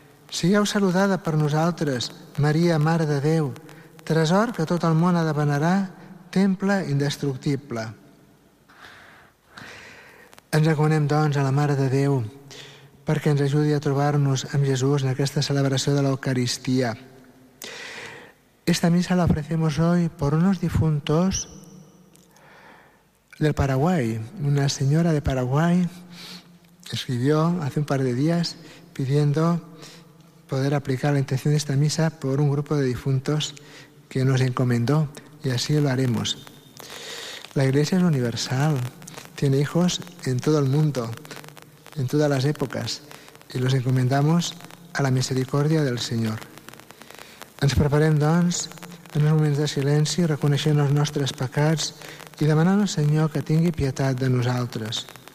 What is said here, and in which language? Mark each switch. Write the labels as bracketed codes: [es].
[ca] Sigueu saludada per nosaltres, Maria, Mare de Déu, tresor que tot el món ha de venerar, temple indestructible. Ens recomanem, doncs, a la Mare de Déu perquè ens ajudi a trobar-nos amb Jesús en aquesta celebració de l'Eucaristia. [es] Esta missa la ofrecemos hoy por unos difuntos del Paraguay. Una señora de Paraguay escribió hace un par de días pidiendo poder aplicar la intención de esta misa por un grupo de difuntos que nos encomendó. Y así lo haremos. La Iglesia es universal. Tiene hijos en todo el mundo, en todas las épocas. Y los encomendamos a la misericordia del Señor. [ca] Ens preparem, doncs, en uns moments de silenci, reconeixent els nostres pecats i demanant al Senyor que tingui pietat de nosaltres.